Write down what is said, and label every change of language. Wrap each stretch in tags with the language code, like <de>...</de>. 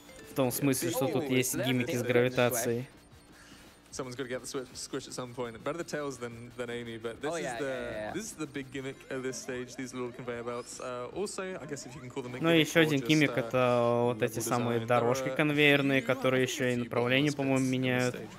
<ru>В том смысле, что тут есть гиммики с гравитацией.</ru> <en>Someone's got to get the squish at some point. Better Tails than Amy, but this this is the big gimmick of this stage. These little conveyor belts. Also, I guess if you can call them.</en> <ru>Ну еще один гиммик это вот эти самые дорожки конвейерные, которые еще и направление, по-моему, меняют.</ru>